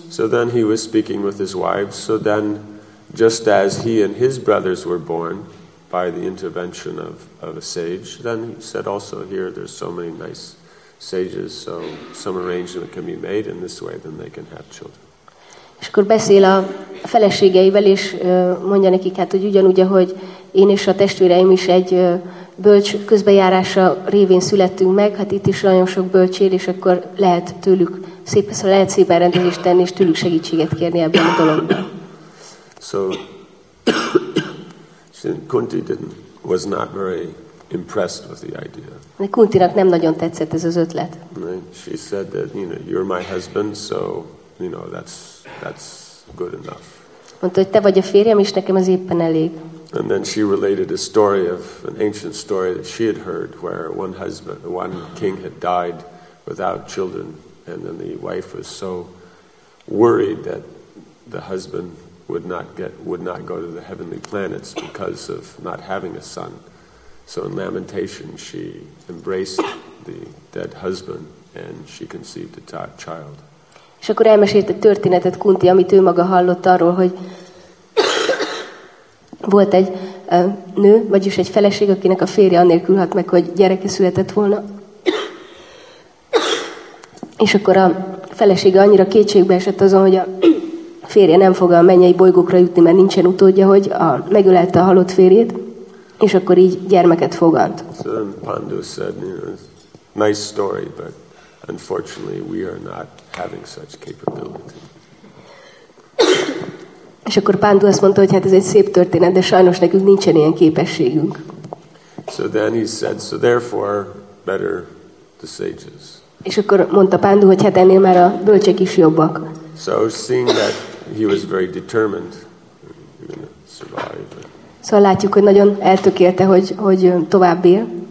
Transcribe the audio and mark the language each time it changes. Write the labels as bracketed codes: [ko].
[en] So then he was speaking with his wives. So then just as he and his brothers were born by the intervention of a sage, then he said also here there's so many nice sages, so some arrangement can be made in this way, then they can have children. [hu] És akkor beszél a feleségeivel, és mondja nekik, hát, hogy ugyanúgy, ahogy én és a testvéreim is egy bölcs közbejárása révén születtünk meg, hát itt is nagyon sok bölcs él, és akkor lehet tőlük szép, szóval lehet szépen rendezést tenni, és tőlük segítséget kérni ebben a dologban. [en] So Kunti was not very impressed with the idea. [hu] De Kuntinak nem nagyon tetszett ez az ötlet. [en] She said that, you know, you're my husband, so you know that's good enough. [hu] Mondta, hogy te vagy a férjem, és nekem az éppen elég. [en] And then she related a story of an ancient story that she had heard, where one king had died without children, and then the wife was so worried that the husband would not go to the heavenly planets because of not having a son. So in lamentation, she embraced the dead husband and she conceived a child. [hu] És akkor elmesélt egy történetet Kunti, amit ő maga hallott arról, hogy volt egy nő, vagyis egy feleség, akinek a férje anélkül halt meg, hogy gyereke született volna. És akkor a felesége annyira kétségbe esett azon, hogy a férje nem fog a mennyei bolygókra jutni, mert nincsen utódja, hogy megölelte a halott férjét, és akkor így gyermeket fogant. [en] So then Pandu said, you know, nice story, but unfortunately we are not having such capability. [hu] És akkor Pandu azt mondta, hogy hát ez egy szép történet, de sajnos nekünk nincsen ilyen képességünk. [en] So then he said, so therefore better the sages. [hu] És akkor mondta Pandu, hogy hát ennél már a bölcsek is jobbak. [en] So seeing that he was very determined to survive. [hu] Szóval látjuk, hogy nagyon eltökélte, hogy tovább él.